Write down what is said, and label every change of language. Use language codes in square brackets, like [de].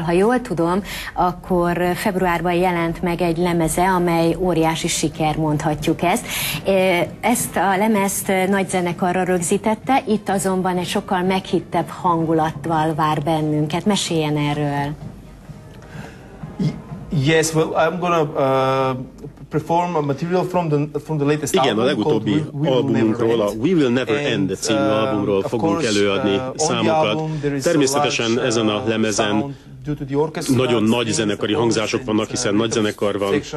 [hu] Ha jól tudom, akkor februárban jelent meg egy lemeze, amely óriási siker, mondhatjuk ezt. Ezt a lemezt nagy zenekarra rögzítette, itt azonban egy sokkal meghittebb hangulattal vár bennünket. Meséljen erről. [en] Yes, well, I'm gonna perform a material from the latest [hu] igen, Igen, a legutóbbi albumunkról, a We Will Never End című albumról fogunk előadni számokat. Természetesen ezen a lemezen nagyon nagy zenekari hangzások vannak, hiszen nagy zenekar van.